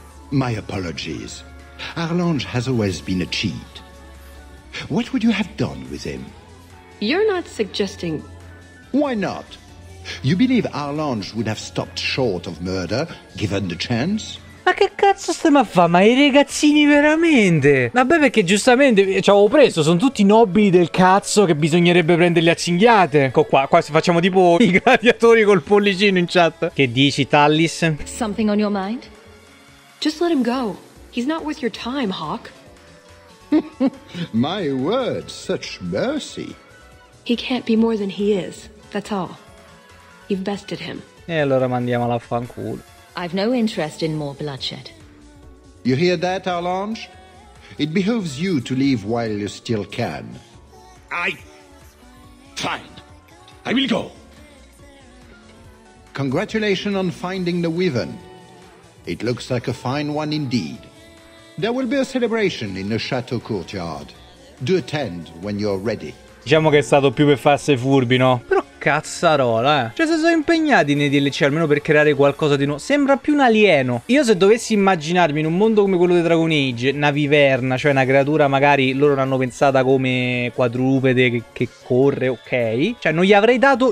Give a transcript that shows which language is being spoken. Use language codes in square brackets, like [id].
[en] My apologies. Arlange has always been a cheat. What would you have done with him? You're not suggesting... Why not? You believe Arlange would have stopped short of murder, given the chance? [it] Ma che cazzo stiamo a fare? Ma i ragazzini veramente? Vabbè, perché giustamente ci avevo preso, sono tutti nobili del cazzo che bisognerebbe prenderli a cinghiate. Ecco qua, qua se facciamo tipo i gladiatori col pollicino in chat. Che dici, Tallis? [en] Something on your mind? Just let him go. He's not worth your time, Hawk. My word, such mercy. He can't be more than he is, that's all. You've bested him. [it] E allora mandiamolo a fanculo. [en] I've no interest in more bloodshed. You hear that, Arlange? It behooves you to leave while you still can. Fine. I will go. Congratulations on finding the Wyvern. It looks like a fine one indeed. There will be a celebration in the Chateau Courtyard. Do attend when you're ready. [it] Diciamo che è stato più per farsi furbi, no? Però cazzarola, Cioè se sono impegnati nei DLC almeno per creare qualcosa di nuovo. Sembra più un alieno. Io se dovessi immaginarmi in un mondo come quello dei Dragon Age, una viverna, cioè una creatura magari loro l'hanno pensata come quadrupede che corre, ok. Cioè non gli avrei dato...